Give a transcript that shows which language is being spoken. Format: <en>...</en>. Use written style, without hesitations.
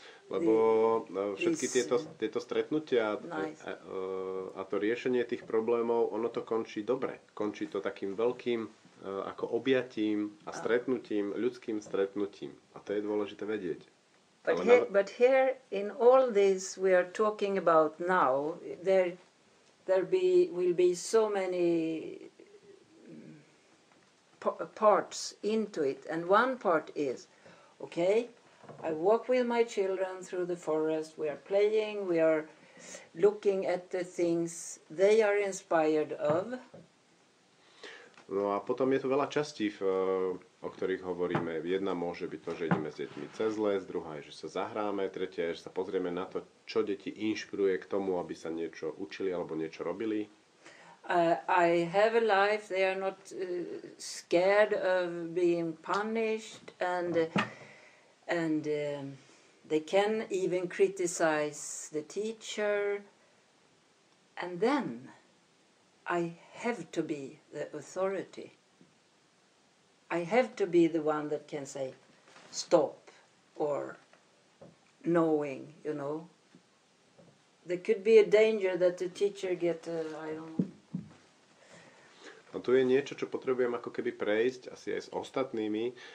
<sk>Lebo všetky tieto stretnutia a to riešenie tých problémov, ono to končí dobre. Končí to takým veľkým ako objatím a stretnutím, ľudským stretnutím. A to je dôležité vedieť.</sk> <en>But here in all this we are talking about now, there will be so many parts into it. And one part is, okay, I walk with my children through the forest. We are playing. We are looking at the things they are inspired of.</en> <sk>No a potom je tu veľa častí, o ktorých hovoríme. Jedna môže byť to, že ideme s deťmi cez les, druhá je, že sa zahráme, tretia je, že sa pozrieme na to, čo deti inšpiruje k tomu, aby sa niečo učili alebo niečo robili.</sk> <en>I have a life. They are not scared of being punished and... And they can even criticize the teacher. And then I have to be the authority. I have to be the one that can say stop or knowing, you know. There could be a danger that the teacher get, I don't know.</en> <sk>No tu je niečo, čo potrebujem ako keby prejsť asi aj s ostatnými.</sk>